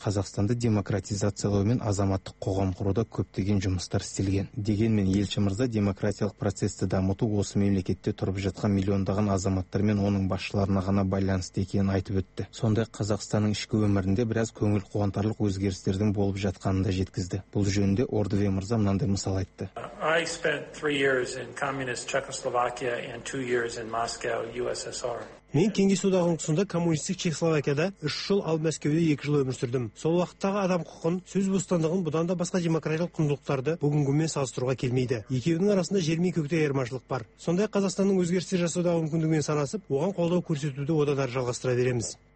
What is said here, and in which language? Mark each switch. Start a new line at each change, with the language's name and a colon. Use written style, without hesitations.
Kazakh: Қазақстанды демократизациялау мен азаматтық қоғам құруда көптеген жұмыстар істелген. Дегенмен елші мырза демократиялық процесті дамыту осы мемлекетте тұрып жатқан миллиондаған азаматтар мен оның басшыларына ғана байланысты екенін айтып өтті. Сонда Қазақстанның ішкі өмірінде біраз көңіл қуантарлық өзгерістердің болып жатқанын да жеткізді. Бұл жөнінде Ордве мырза мынандай мысал айтты.
English: I spent 3 years in communist Czechoslovakia and 2 years in Moscow, USSR.
Kazakh: Мен Кеңес одағының тұсында коммунистік Чехословакияда 3 жыл, ал Мәскеуде 2 жыл өмір сүрдім. Сол уақыттағы адам құқығын, сөз бостандығын, бұдан да басқа демократиялық құндылықтарды бүгінгімен салыстыруға келмейді. Екеуінің арасында жер мен көктей айырмашылық бар. Сонда Қазақстанның өзгерістер жасаудағы мүмкіндігімен санасып, оған қолдау көрсетуді одан әрі жалғастыра береміз.